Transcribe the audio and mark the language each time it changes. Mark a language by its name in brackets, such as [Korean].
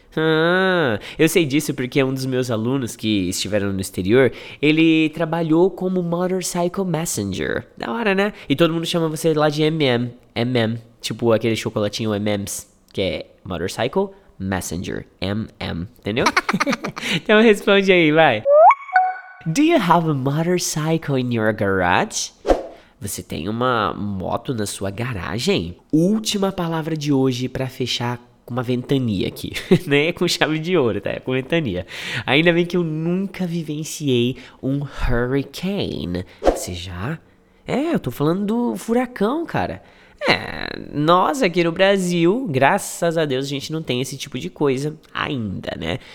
[Portuguese] Ah, eu sei disso porque um dos meus alunos que estiveram no exterior, ele trabalhou como Motorcycle Messenger. Da hora, né? E todo mundo chama você lá de MM, tipo aquele chocolatinho MMs, que é Motorcycle Messenger, MM, entendeu? Então responde aí, vai. [English] Do you have a motorcycle in your garage? [Portuguese] Você tem uma moto na sua garagem? Última palavra de hoje para fechar com uma ventania aqui, né? Com chave de ouro, tá? Com ventania. Ainda bem que eu nunca vivenciei um hurricane. Você já? É, eu tô falando do furacão, cara. Nós aqui no Brasil, graças a Deus, a gente não tem esse tipo de coisa ainda, né?